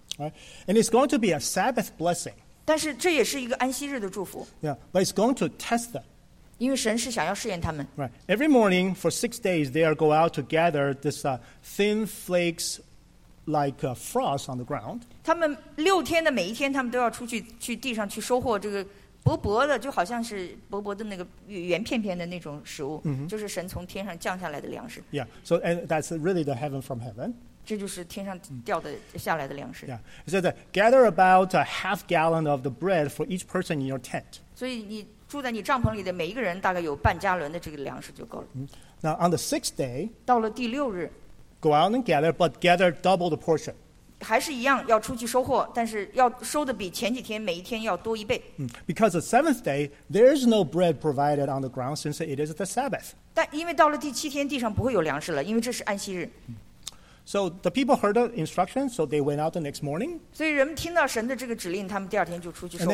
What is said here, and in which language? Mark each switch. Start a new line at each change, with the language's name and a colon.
English: Right, and it's going to be a Sabbath blessing.
Chinese: 但是这也是一个安息日的祝福。
English: Yeah, but it's going to test them.
Chinese: 因为神是想要试验他们。
English: Right, every morning for 6 days, they are go out to gather this thin flakes. Like frost on the ground.
Chinese: 他们六天的每一天，他们都要出去去地上去收获这个薄薄的，就好像是薄薄的那个圆片片的那种食物，就是神从天上降下来的粮食。
English: Yeah. So and that's really the heaven from heaven.
Chinese: 这就是天上掉的下来的粮食。
English: Yeah. So that gather about a half gallon of the bread for each person in your tent.
Chinese: 所以你住在你帐篷里的每一个人大概有半加仑的这个粮食就够了。
English: Now on the sixth day.
Chinese: 到了第六日。
English: Go out and gather, but gather double the portion.
Chinese: 还是一样，要出去收获，但是要收的比前几天每一天要多一倍。
English: Because the seventh day, there is no bread provided on the ground since it is the Sabbath.
Chinese: 但因为到了第七天，地上不会有粮食了，因为这是安息日。
English: So the people heard the instructions, so they went out the next morning.
Chinese: 所以人们听到神的这个指令，他们第二天就出去收获。